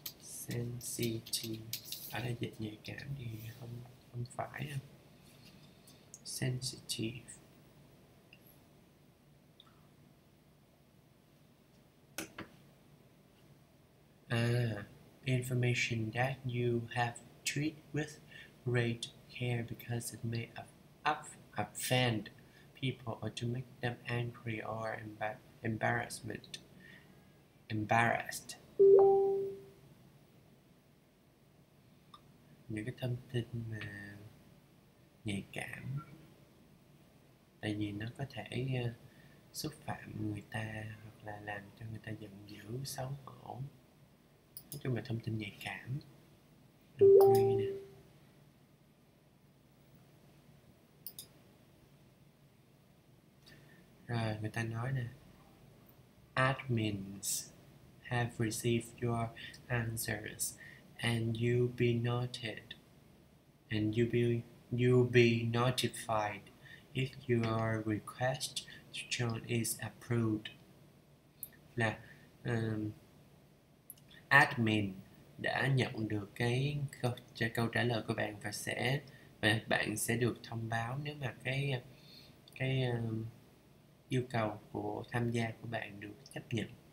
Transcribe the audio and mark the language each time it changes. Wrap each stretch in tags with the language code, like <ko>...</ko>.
<vi>Sensitive ở đây dịch nhạy cảm thì không phải đâu.</vi> <en>Sensitive information that you have treat with great care because it may offend people or to make them angry or embarrassed.</en> <vi>Những cái thông tin mà nhạy cảm, tại vì nó có thể xúc phạm người ta hoặc là làm cho người ta giận dữ, xấu hổ. Nói chung là thông tin nhạy cảm. Rồi, người ta nói nè,</vi> <en>admins have received your answers and you'll be notified if your request to join is approved.</en> <vi>Là admin đã nhận được cái câu trả lời của bạn và bạn sẽ được thông báo nếu mà cái yêu cầu của tham gia của bạn được chấp nhận.</vi>